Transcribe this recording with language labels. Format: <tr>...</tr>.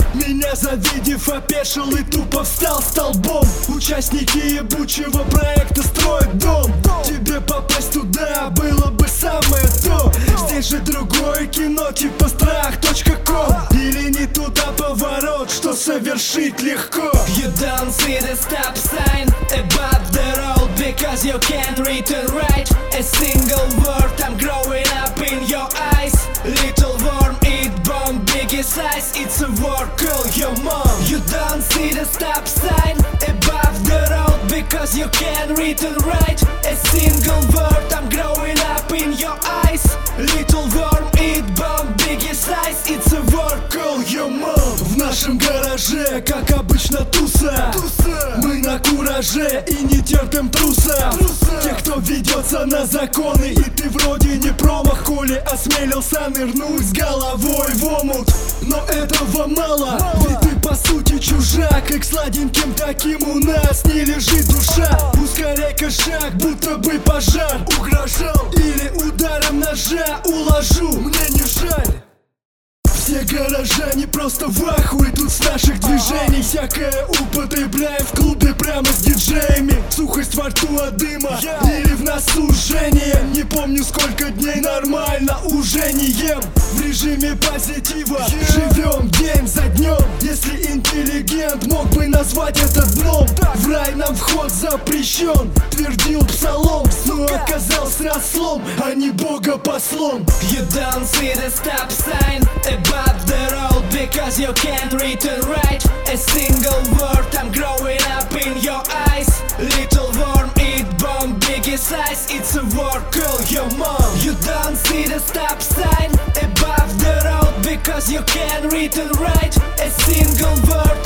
<ru>Меня завидев, опешил и тупо встал столбом. Участники ебучего проекта строят дом. Тебе попасть туда было бы самое то. Здесь же другое кино, типа страх.ком. Или не туда поворот, что совершить легко.</ru> <en>You don't see the stop sign above the road, because you can't read and write a single word. I'm growing up in your eyes, little worm. It's a war, call your mom. You don't see the stop sign above the road, because you can't read and write a single word. I'm growing up in your eyes, little worm, eat bomb, biggie size. It's a war, call your mom.</en> <ru>В нашем гараже, как обычно, туса. Мы на кураже и не терпим трусов. Те, кто ведется на законы, и ты вроде не промах, коли осмелился нырнуть с головой в омут. Но этого мало, ведь ты по сути чужак, и к сладеньким таким у нас не лежит душа. Ускоряй-ка шаг, будто бы пожар угрожал, или ударом ножа уложу, мне не жаль. Все горожане просто в ахуе тут с наших движений. Всякое употребляем в клубе прямо с диджеями. Сухость во рту от дыма или в носу жжение. Не помню, сколько дней нормально уже не ем. В режиме позитива живем день за днем. Если интеллигент мог бы назвать это дном, в рай нам вход запрещен, твердил псалом. Но оказался ослом, а не богопослом.</ru> <en>You don't see the stop sign above the road, because you can't read and write a single word. I'm growing up in your eyes, little worm, eat bomb, biggie size. It's a war, call your mom. You don't see the stop sign above the road, because you can't read and write a single word.</en>